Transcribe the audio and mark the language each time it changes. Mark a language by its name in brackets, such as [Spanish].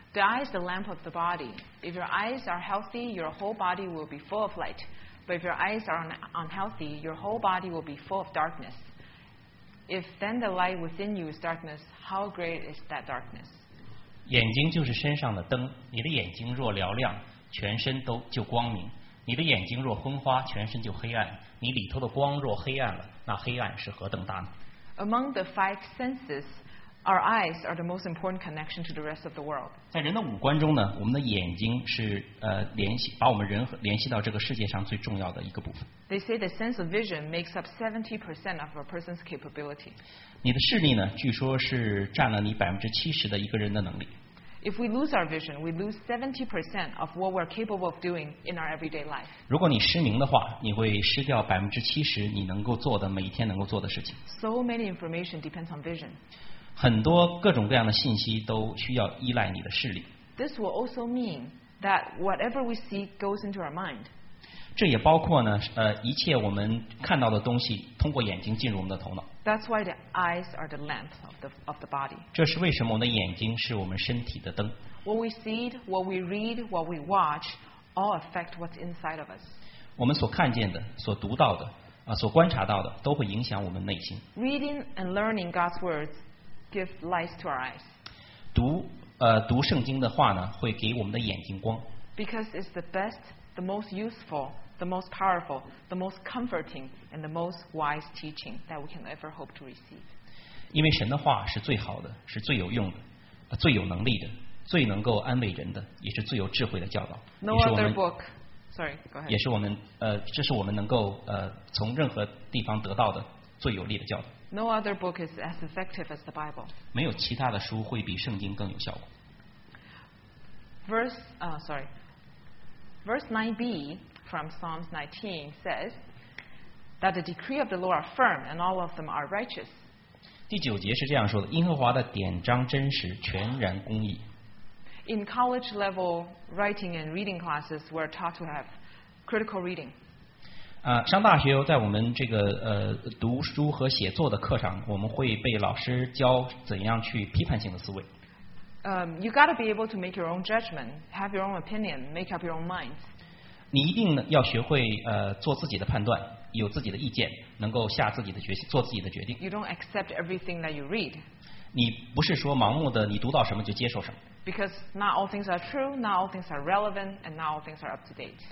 [English] The eye is the lamp of the body. If your eyes are healthy, your whole body will be full of light. But if your eyes are unhealthy, your whole body will be full of darkness. If then the light within you is darkness, how great is that darkness? [Chinese] 眼睛就是身上的灯，你的眼睛若嘹亮，全身都就光明。你的眼睛若昏花，全身就黑暗。你里头的光若黑暗了，那黑暗是何等大呢？ [English] Among the five senses,Our eyes are the most important connection to the rest of the world. [Chinese] 在人的五官中呢，我们的眼睛是联系把我们人联系到这个世界上最重要的一个部分。 [English] They say the sense of vision makes up 70% of a person's capability. [Chinese] 你的视力呢，据说是占了你70%的一个人的能力。 [English] If we lose our vision, we lose 70% of what we're capable of doing in our everyday life. [Chinese] 如果你失明的话，你会失掉70%你能够做的每天能够做的事情。 [English] So many information depends on vision. [Chinese] 很多各种各样的信息都需要依赖你的视力。 [English] This will also mean that whatever we see goes into our mind. [Chinese] 这也包括呢，一切我们看到的东西通过眼睛进入我们的头脑。 [English] That's why the eyes are the lamp of the body. [Chinese] 这是为什么我们的眼睛是我们身体的灯。 [English] What we see, what we read, what we watch, all affect what's inside of us. [Chinese] 我们所看见的，所读到的，所观察到的，都会影响我们内心。 [English] Reading and learning God's words. Give light to our eyes. [Chinese] 读圣经的话呢，会给我们的眼睛光。 [English] Because it's the best, the most useful, the most powerful, the most comforting, and the most wise teaching that we can ever hope to receive. [Chinese] 因为神的话是最好的，是最有用的，最有能力的，最能够安慰人的，也是最有智慧的教导。 [English] No other book. Sorry, go ahead. [Chinese] 也是我们这是我们能够从任何地方得到的最有力的教导。 [English] No other book is as effective as the Bible. [Chinese] 没有其他的书会比圣经更有效果。 [English] Verse 9b from Psalms 19 says that the decree of the Lord are firm and all of them are righteous. [Chinese] 第九节是这样说的：耶和华的典章真实，全然公义。 [English] In college level writing and reading classes, we're taught to have critical reading. [Chinese] 啊，上大学在我们这个读书和写作的课上，我们会被老师教怎样去批判性的思维。 [English] You gotta be able to make your own judgment, have your own opinion, make up your own mind. [Chinese] 你一定要学会做自己的判断，有自己的意见，能够下自己的决心，做自己的决定。 [English] You don't accept everything that you read. [Chinese] 你不是说盲目的，你读到什么就接受什么。 [English] Because not all things are true, not all things are relevant, and not all things are up to date.